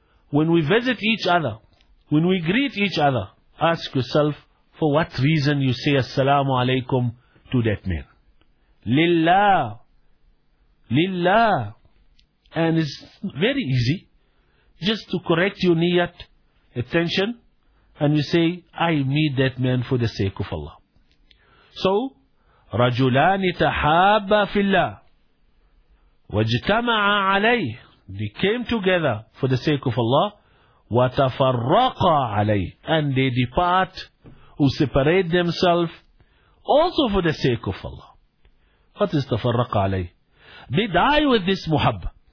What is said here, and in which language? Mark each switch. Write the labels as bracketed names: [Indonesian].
[English] When we visit each other, when we greet each other, ask yourself, for what reason you say assalamu alaikum to that man? Lillah. Lillah. And it's very easy. Just to correct your niyat, attention, and you say, I need that man for the sake of Allah. So, [Arabic] رجلان تحابا في الله واجتمعا عليه. [English] They came together for the sake of Allah. [Arabic] وتفرقا عليه. [English] And they depart or separate themselves also for the sake of Allah. What is [Arabic] تفرقا عليه? [English] They die with this muhabba.